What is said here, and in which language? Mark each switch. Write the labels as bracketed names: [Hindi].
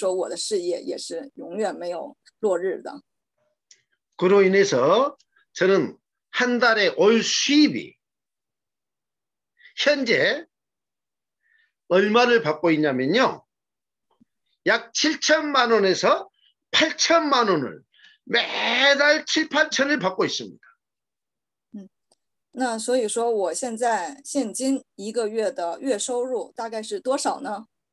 [Chinese] 所以说也是同理，艾多美也是一个没有落日的这样的一个企业，因为它已经进军了全球20个国家，而我的组织呢也真的是遍布了全球，所以说我的事业也是永远没有落日的。 [Korean] 그로 인해서 저는 한 달에 월 수입이 현재 얼마를 받고 있냐면요. 약 7천만 원에서 8천만 원을 매달 7, 8천을 받고 있습니다. [Chinese] 那所以说我现在现金一个月的月收入大概是多少呢?